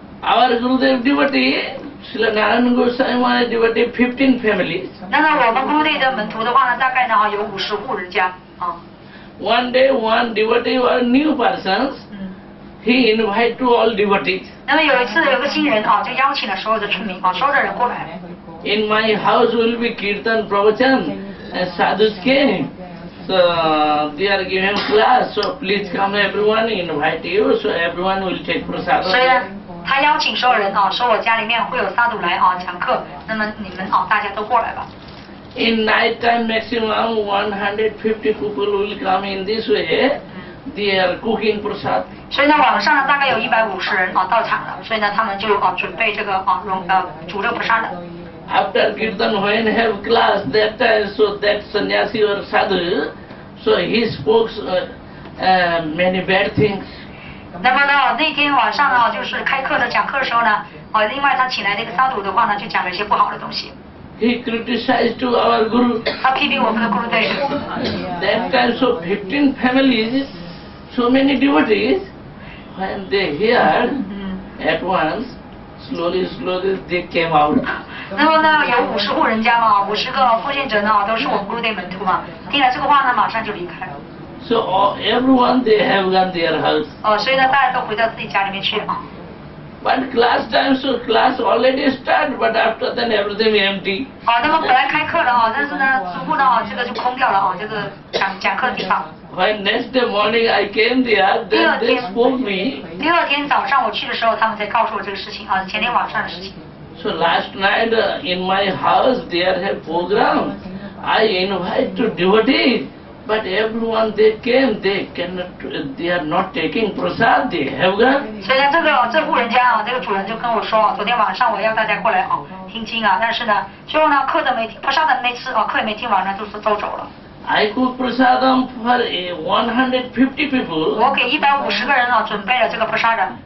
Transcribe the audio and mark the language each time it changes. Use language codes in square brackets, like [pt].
[en] Our Gurudev devotee. Srila Narayan Gosai Maharaj devotee 15 families. [zh] 那么我们部队的门徒的话呢，大概呢有50户人家啊。 [en] One day, one devotee was new person. He invited to all devotees. [zh] 那么有一次，有个新人啊，就邀请了所有的村民啊，所有的人过来。 [en] In my house will be kirtan, pravachan, and sadhus came. So they are giving class. So please come, everyone. Invite you, so everyone will take prasad. [zh] 是呀。他邀请所有人啊，说我家里面会有沙土来啊讲课，那么你们啊大家都过来吧。 [en] In night time maximum 150 people will come in this way. They are cooking prasad. [zh] 所以呢，晚上大概有150人啊到场了，所以呢，他们就啊准备这个啊煮这prasad。 [en] After kirtan, when have class that time, so that sannyasi or sadhu, so he spoke many bad things. [zh] 那么呢，那天晚上呢，就是开课的讲课的时候呢，哦，另外他请来那个沙土的话呢，就讲了一些不好的东西。 [en] He criticized to our guru. [zh] 他批评我们的 guru 对。 [en] That time so 15 families, so many devotees, when they hear, at once, slowly they came out. [zh] 那么呢，有50户人家嘛，50个奉献者呢，都是我们 guru 对门徒嘛，听了这个话呢，马上就离开了。 [en] So everyone they have gone their house. [zh] 哦，所以呢，大家都回到自己家里面去啊。 [en] But class time, so class already start, but after then everything empty. [zh] 好，那么本来开课的哈，但是呢，逐步呢，这个就空掉了哈，就是讲课的地方。 [en] When next morning I came there, then they spoke me. [zh] 第二天早上我去的时候，他们才告诉我这个事情啊，前天晚上的事情。 [en] So last night in my house there have program. I invite to devotees, but everyone they came, they are not taking prasad. They have gone. [zh] 所以这户人家啊，这个主人就跟我说，昨天晚上我要大家过来啊，听经啊，但是呢，最后呢，课都没听，prasad没吃啊，课也没听完呢，就是都走了。 [en] I cook prasadam for 150 people. [zh] 我给150个人啊准备了这个 prasad.